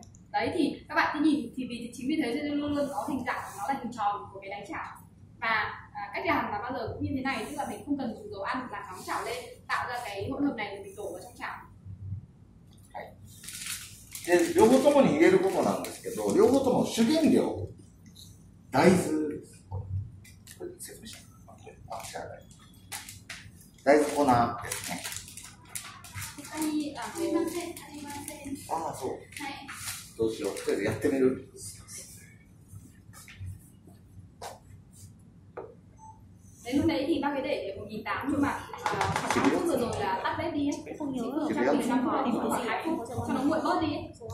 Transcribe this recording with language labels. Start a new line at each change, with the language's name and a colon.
Vietnamese: Đấy thì các bạn cứ nhìn thì vì chính vì thế cho nên luôn luôn có hình dạng nó là hình tròn của cái đánh chảo. Và cách làm là bao giờ cũng như thế này, tức là mình không cần dùng dầu ăn là nóng chảo lên tạo ra cái hỗn hợp này mình đổ vào trong chảo.
Japanese: Thế 両方ともに入れることなんですけど、両方とも主原料大豆、これ説明しなきゃ。大豆粉ですね。ありません。ああ、そう。はい。どうしよう、とりあえずやってみる。
Vietnamese: đến lúc đấy thì bác ấy để 1.800 nhưng mà sáng hôm vừa rồi là tắt bếp đi ấy, không nhớ rồi. Chắc mình đang hỏi thì mình sẽ hái phục cho nó nguội bớt đi ấy.